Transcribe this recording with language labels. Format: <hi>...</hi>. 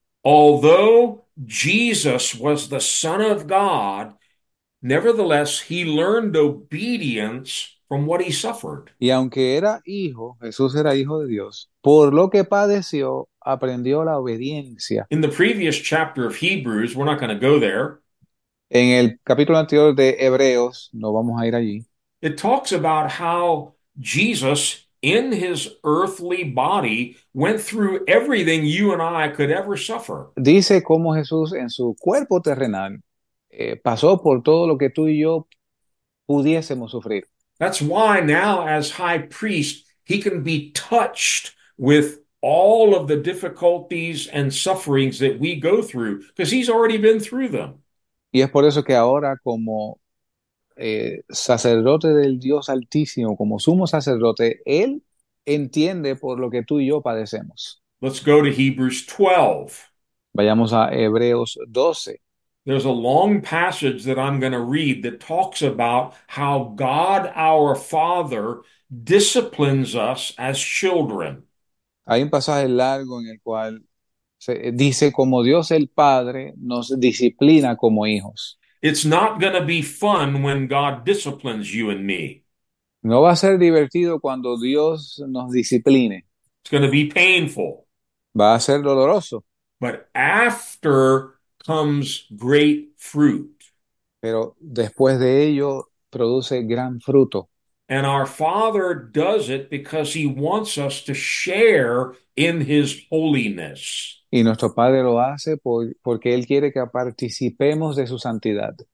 <en>Although Jesus was the Son of God, nevertheless, he learned obedience from what he suffered.</en> <es>Y aunque era hijo, Jesús era hijo de Dios, por lo que padeció, aprendió la obediencia.</es> <en>In the previous chapter of Hebrews, we're not going to go there.</en> <es>En el capítulo anterior de Hebreos, no vamos a ir allí.</es> <en>It talks about how Jesus, in his earthly body, went through everything you and I could ever suffer.</en> <es>Dice cómo Jesús en su cuerpo terrenal pasó por todo lo que tú y yo pudiésemos sufrir.</es> <en>That's why now, as high priest, he can be touched with all of the difficulties and sufferings that we go through, because he's already been through them.</en> <es>Y es por eso que ahora como sacerdote del Dios Altísimo, como sumo sacerdote, él entiende por lo que tú y yo padecemos.</es> <en>Let's go to Hebrews 12.</en> <es>Vayamos a Hebreos 12.</es> <en>There's a long passage that I'm going to read that talks about how God our Father disciplines us as children.</en> <es>Hay un pasaje largo en el cual dice como Dios el Padre nos disciplina como hijos.</es> <en>It's not going to be fun when God disciplines you and me.</en> <es>No va a ser divertido cuando Dios nos discipline.</es> <en>It's going to be painful.</en> <es>Va a ser doloroso.</es> <en>But after comes great fruit.</en> <es>Pero después de ello produce gran fruto.</es> <en>And our Father does it because he wants us to share in his holiness.</en> <es>Y nuestro Padre lo hace porque Él quiere que participemos de su santidad.</es>